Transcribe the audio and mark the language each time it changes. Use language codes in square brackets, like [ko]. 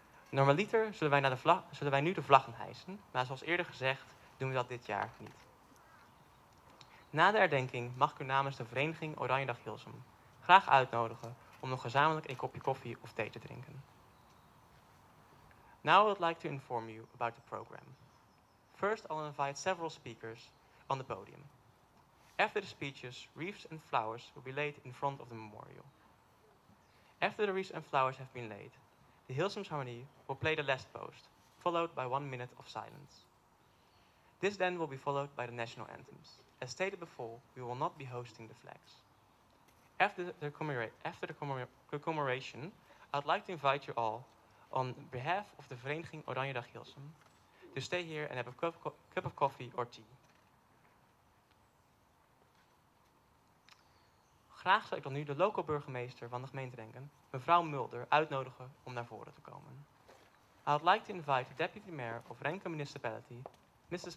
[nl] Normaliter zullen wij nu de vlaggen hijsen, maar zoals eerder gezegd doen we dat dit jaar niet. Na de herdenking mag ik u namens de vereniging Oranjedag Hilsum graag uitnodigen om nog gezamenlijk een kopje koffie of thee te drinken. [en] Now I would like to inform you about the program. First, I'll invite several speakers on the podium. After the speeches, wreaths and flowers will be laid in front of the memorial. After the wreaths and flowers have been laid, the Hilsum's Harmony will play the last post, followed by 1 minute of silence. This then will be followed by the national anthems. As stated before, we will not be hosting the flags. After the commemoration, I'd like to invite you all, on behalf of the Vereniging Oranjedag Hilsum, to stay here and have a cup of coffee or tea. [nl] Graag zou ik dan nu de lokale burgemeester van de gemeente Renkum, mevrouw Mulder, uitnodigen om naar voren te komen. [en] I would like to invite the deputy mayor of Renkum Municipality, Mrs.